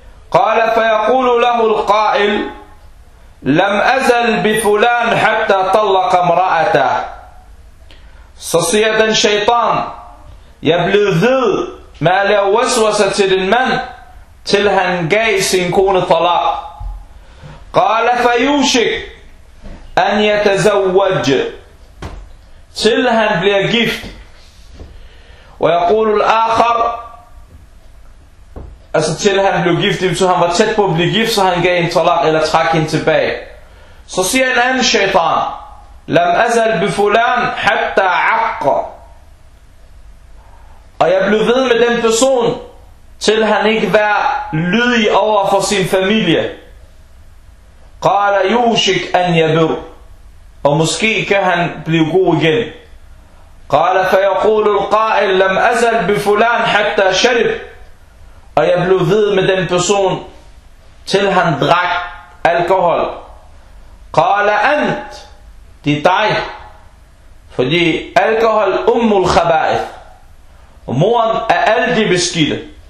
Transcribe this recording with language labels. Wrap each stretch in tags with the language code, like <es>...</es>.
<ar>قال فيقول له القائل لم أزل بفلان حتى طلق امرأته.</ar> <da>Så siger den shaitan, jeg blev ved med at lave waswasa til din mand, til han gav sin kone talak.</da> <ar>قال فيوشك أن يتزوج,</ar> <da>til han bliver gift.</da> <ar>ويقول الآخر,</ar> <da>altså til han blev gift, så han var tæt på at blive gift, så han gav en talak eller trak hende tilbage. Så siger en anden shaitan,</da> <ar>لم أزل بفلان حتى عق.</ar> <da>Og jeg blev ved med den person, til han ikke var lydig over for sin familie.</da> <ar>قال يوشك أن يبر,</ar> <da>og måske kan han blive god igen.</da> <ar>قال فيقول القائل لم أزل بفلان حتى شرب.</ar> <da>Og jeg blev ved med den person, til han drak alkohol.</da> <ar>قال أنت,</ar> <da>det er dig, fordi alkohol</da> <ar>أم الخبائث,</ar> <da>moren er alle de beskidte.</da>